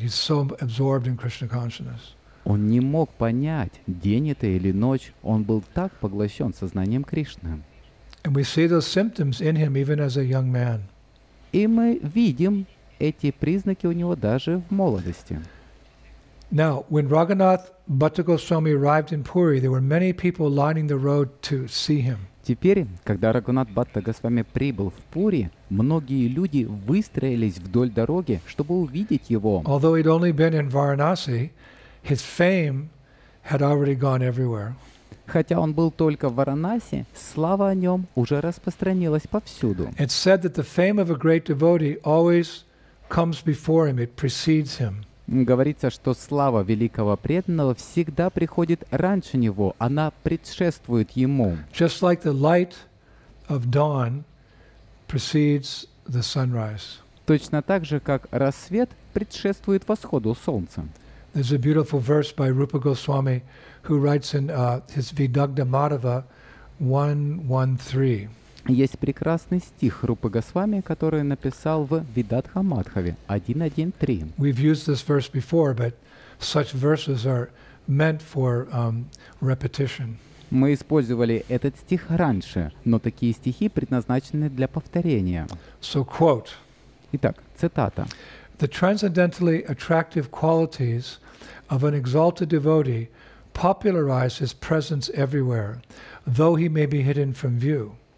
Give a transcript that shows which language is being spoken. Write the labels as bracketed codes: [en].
[en] He's so absorbed in Krishna consciousness. [ru] Он не мог понять, день это или ночь. Он был так поглощен сознанием Кришны. [en] And we see those symptoms in him even as a young man. [ru] И мы видим эти признаки у него даже в молодости. [en] Now, when Raghunath Bhatta Goswami arrived in Puri, there were many people lining the road to see him. [ru] Теперь, когда Рагхунат Бхатта Госвами прибыл в Пури, многие люди выстроились вдоль дороги, чтобы увидеть его. [en] Although he'd only been in Varanasi, his fame had already gone everywhere. [ru] Хотя он был только в Варанаси, слава о нем уже распространилась повсюду. [en] It's said that the fame of a great devotee always comes before him, it precedes him. [ru] Говорится, что слава великого преданного всегда приходит раньше него, она предшествует ему. [en] Just like the light of dawn precedes the sunrise. [ru] Точно так же, как рассвет предшествует восходу солнца. [en] There's a beautiful verse by Rupa Goswami, who writes in his Vidagdha Madhava 1.1.3. [ru] Есть прекрасный стих Рупы Госвами, который написал в Видадха Мадхаве 1.1.3. [en] We've used this verse before, but such verses are meant for repetition. [ru] Мы использовали этот стих раньше, но такие стихи предназначены для повторения. [en] So, quote. [ru] Итак, цитата. [en] The transcendentally attractive qualities of an exalted devotee popularize his presence everywhere, though he may be hidden from view.